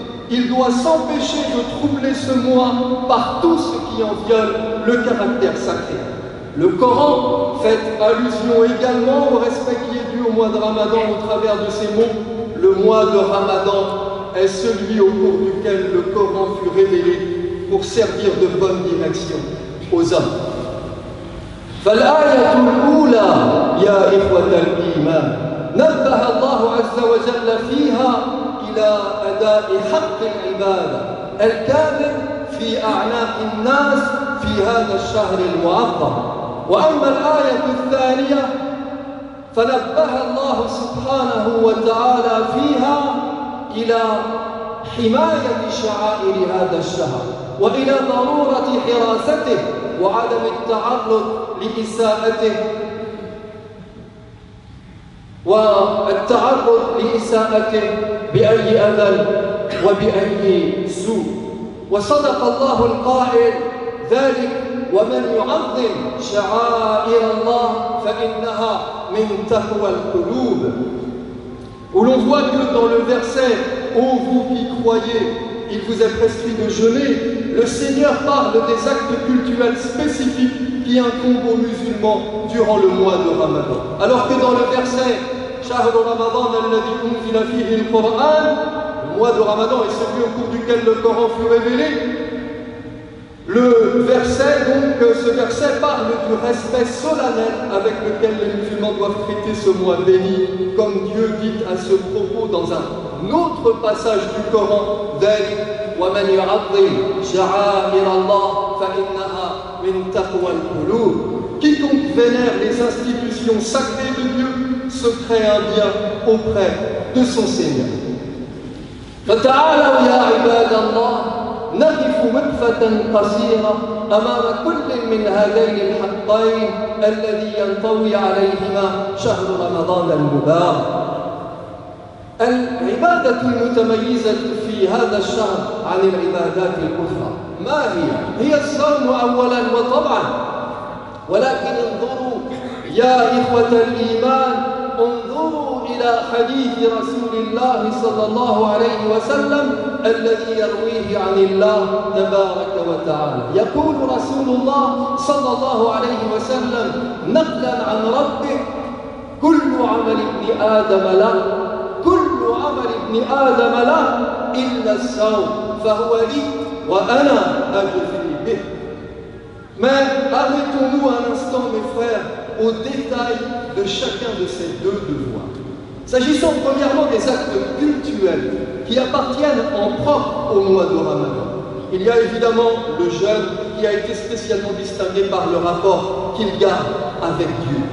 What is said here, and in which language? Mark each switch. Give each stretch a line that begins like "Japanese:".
French: Il doit s'empêcher de troubler ce mois par tout ce qui en viole le caractère sacré. Le Coran fait allusion également au respect qui est dû au mois de Ramadan au travers de ces mots. Le mois de Ramadan est celui au cours duquel le Coran fut révélé pour servir de bonne direction aux hommes.
Arabic: فالآية الأولى يا إخوة الإيمان نبه الله عز وجل فيها إلى أداء حق العبادة الكامل في أعناق الناس في هذا الشهر المعظم. وأما الآية الثانية فنبه الله سبحانه وتعالى فيها إلى حماية شعائر هذا الشهر وإلى ضرورة حراسته وعدم التعرض لإساءته والتعرض لإساءته بأي أذى وبأي سوء. وصدق الله القائل ذلك ومن يعظم شعائر الله فإنها من تقوى القلوب.
French: Où l'on voit que dans le verset « Ô vous qui croyez, il vous est prescrit de jeûner », le Seigneur parle des actes cultuels spécifiques qui incombent aux musulmans durant le mois de Ramadan. Alors que dans le verset «
Arabic: شهر رمضان الذي أنزل فيه القرآن
French: » le mois de Ramadan est celui au cours duquel le Coran fut révélé, le verset, donc, ce verset parle du respect solennel avec lequel les musulmans doivent traiter ce mois béni, comme Dieu dit à ce propos dans un autre passage du Coran,
Arabic: ذلك ومن يعظم شعائر الله فإنها من تقوى القلوب.
French: Quiconque vénère les institutions sacrées de Dieu se crée un bien auprès de son Seigneur.
Arabic: فتعالوا يا عباد الله نقف وقفة قصيرة أمام كل من هذين الحقين الذي ينطوي عليهما شهر رمضان المبارك. العبادة المتميزة في هذا الشهر عن العبادات الأخرى ما هي؟ هي الصوم أولا وطبعا، ولكن انظروا يا إخوة الإيمان، انظروا إلى حديث رسول الله صلى الله عليه وسلم الذي يرويه عن الله تبارك وتعالى. يقول رسول الله صلى الله عليه وسلم نقلا عن ربه: كل عمل ابن آدم له، كل عمل ابن آدم له إلا الصوم فهو لي وأنا أجزي به.
French: Mais arrêtons-nous un instant, mes frères, au détail de chacun de ces deux devoirs. S'agissant premièrement des actes cultuels qui appartiennent en propre au mois de Ramadan, il y a évidemment le jeûne qui a été spécialement distingué par le rapport qu'il garde avec Dieu.